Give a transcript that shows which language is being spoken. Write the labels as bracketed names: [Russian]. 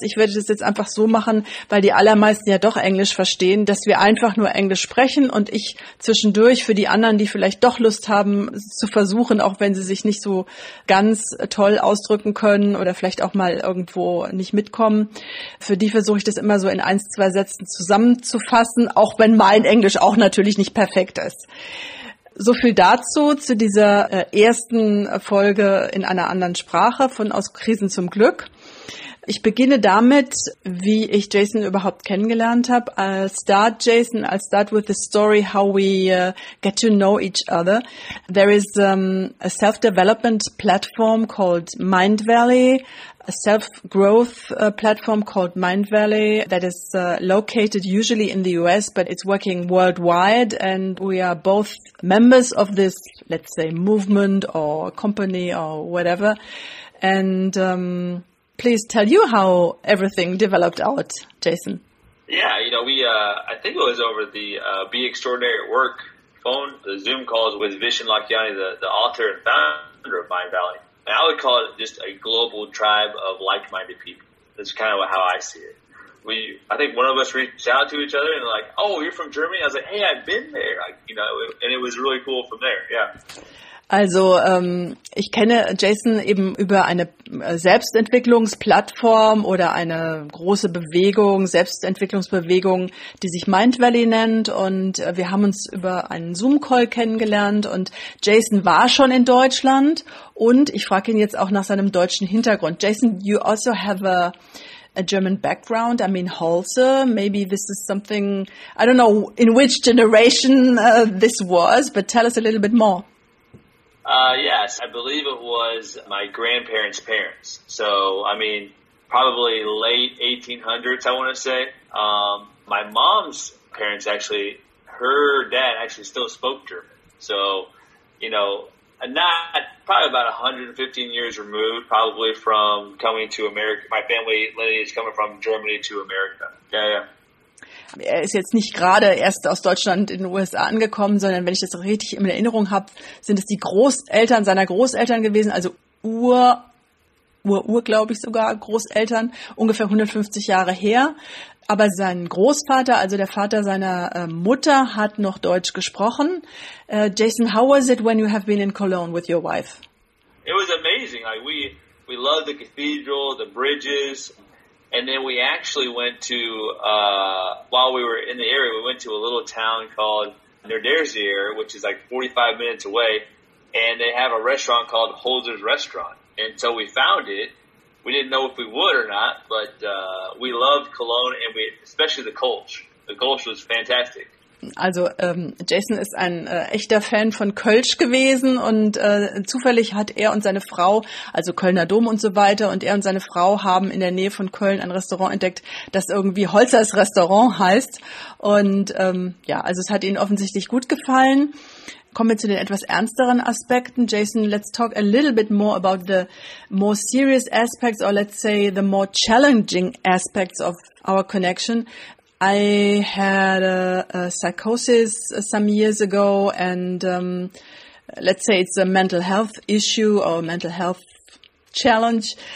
[German] Ich werde das jetzt einfach so machen, weil die allermeisten ja doch Englisch verstehen, dass wir einfach nur Englisch sprechen und ich zwischendurch für die anderen, die vielleicht doch Lust haben, zu versuchen, auch wenn sie sich nicht so ganz toll ausdrücken können oder vielleicht auch mal irgendwo nicht mitkommen, für die versuche ich das immer so in 1-2 Sätzen zusammenzufassen, auch wenn mein Englisch auch natürlich nicht perfekt ist. So viel dazu, zu dieser ersten Folge in einer anderen Sprache von Aus Krisen zum Glück. Ich beginne damit, wie ich Jason überhaupt kennengelernt habe. [English] I'll start with the story how we get to know each other. There is a self-development platform called Mind Valley, a self-growth platform called Mind Valley that is located usually in the US, but it's working worldwide. And we are both members of this, let's say, movement or company or whatever. And please tell you how everything developed out, Jason. Yeah, you know, I think it was over the Be Extraordinary at Work phone, the Zoom calls with Vishen Lakhiani, the author and founder of Mind Valley. And I would call it just a global tribe of like-minded people. That's kind of how I see it. I think one of us reached out to each other and like, oh, you're from Germany? I was like, hey, I've been there. And it was really cool from there, yeah. [German] Also ich kenne Jason eben über eine Selbstentwicklungsplattform oder eine große Bewegung, Selbstentwicklungsbewegung, die sich Mind Valley nennt. Und wir haben uns über einen Zoom-Call kennengelernt. Und Jason war schon in Deutschland. Und ich frage ihn jetzt auch nach seinem deutschen Hintergrund. [English] Jason, you also have a German background. I mean, Holze, maybe this is something, I don't know in which generation this was, but tell us a little bit more. Yes, I believe it was my grandparents' parents. So, I mean, probably late 1800s, I want to say. My mom's parents actually, her dad actually still spoke German. So, you know, probably about 115 years removed, probably from coming to America. My family lineage coming from Germany to America. Yeah, yeah. [German] Er ist jetzt nicht gerade erst aus Deutschland in den USA angekommen, sondern wenn ich das richtig in Erinnerung habe, sind es die Großeltern seiner Großeltern gewesen, also glaube ich sogar, Großeltern, ungefähr 150 Jahre her. Aber sein Großvater, also der Vater seiner Mutter, hat noch Deutsch gesprochen. [English] Jason, how was it when you have been in Cologne with your wife? It was amazing. Like we loved the cathedral, the bridges. And then we actually went to, while we were in the area, we went to a little town called Niederzier, which is like 45 minutes away, and they have a restaurant called Holzer's Restaurant. And so we found it. We didn't know if we would or not, but we loved Cologne, and especially the Kölsch. The Kölsch was fantastic. [German] Also Jason ist ein echter Fan von Kölsch gewesen und zufällig hat er und seine Frau, also Kölner Dom und so weiter, und er und seine Frau haben in der Nähe von Köln ein Restaurant entdeckt, das irgendwie Holzers Restaurant heißt. Und ja, also es hat ihnen offensichtlich gut gefallen. Kommen wir zu den etwas ernsteren Aspekten. [English] Jason, let's talk a little bit more about the more serious aspects or let's say the more challenging aspects of our connection. I had a psychosis some years ago, and let's say it's a mental health issue or a mental health challenge.